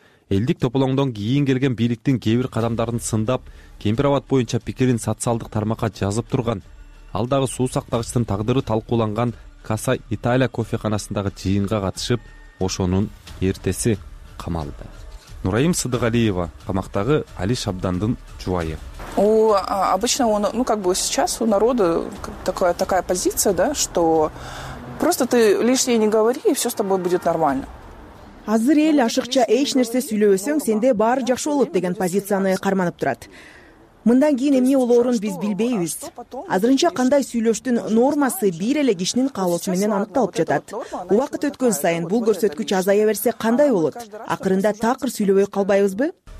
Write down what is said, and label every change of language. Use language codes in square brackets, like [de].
[ky] Элдик тополоңдон кийин келген бийликтин кээ бир кадамдарын сындап, Кемпир абад боюнча пикирин социалдык тармакка жазып турган. Ал дагы суу сактагычтын тагдыры талкууланган Каса Италия кофеканасындагы жыйынга катышып, ошонун эртеси камалды. Нурайым Сыдыгалиева камактагы Али Шабдандын жубайы. [ru] Обычно он, ну как бы сейчас у народа такая позиция, да, что просто ты лишнее не говори, и все с тобой будет нормально. [ky] Азыр эл ашыкча эч нерсе сүйлөбөсөң, сенде баары жакшы болот деген позицияны карманып турат. Мындан кийин эмне болорун биз билбейбиз. Азырынча кандай сүйлөштүн нормасы бир эле кишинин каалоосу менен аныкталып жатат. Убакыт өткөн сайын бул көрсөткүч азая берсе кандай болот? Акырында такыр сүйлөбөй калбайбызбы?